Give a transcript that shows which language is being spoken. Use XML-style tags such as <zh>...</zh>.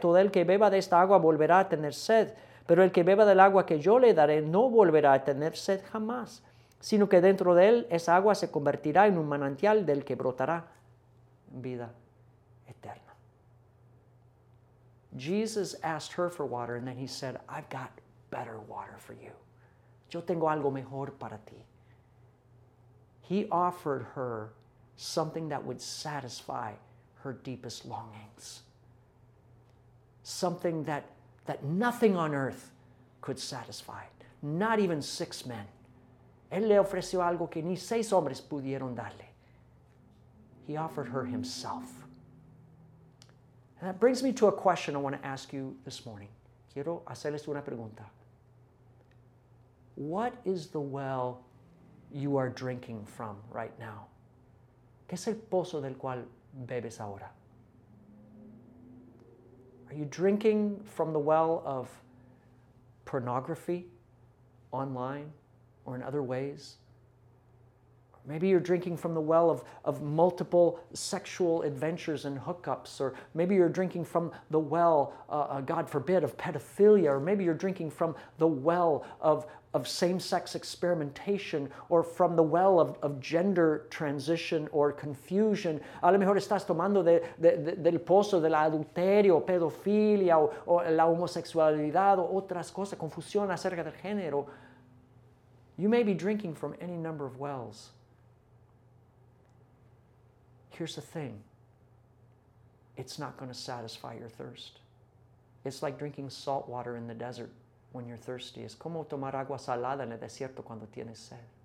<es>Todo el que beba de esta agua volverá a tener sed, pero el que beba del agua que yo le daré no volverá a tener sed jamás, sino que dentro de él esa agua se convertirá en un manantial del que brotará vida."</es> <en>Jesus asked her for water, and then he said, "I've got better water for you.</en> <es>Yo tengo algo mejor para ti."</es> <en>He offered her something that would satisfy her deepest longings. Something that nothing on earth could satisfy. Not even 6 men.</en> <es>Él le ofreció algo que ni 6 hombres pudieron darle.</es> <en>He offered her himself. And that brings me to a question I want to ask you this morning.</en> <es>Quiero hacerles una pregunta.</es> <en>What is the well you are drinking from right now?</en> <es>¿Qué es el pozo del cual bebes ahora?</es> <en>Are you drinking from the well of pornography online or in other ways? Maybe you're drinking from the well of multiple sexual adventures and hookups, or maybe you're drinking from the well, God forbid, of pedophilia, or maybe you're drinking from the well of same-sex experimentation, or from the well of gender transition or confusion.</en> <es>A lo mejor estás tomando del pozo del adulterio, pedofilia, o la homosexualidad, o otras cosas, confusión acerca del género.</es> <en>You may be drinking from any number of wells. Here's the thing. It's not going to satisfy your thirst. It's like drinking salt water in the desert when you're thirsty.</en> <es>Es como tomar agua salada en el desierto cuando tienes sed.</es>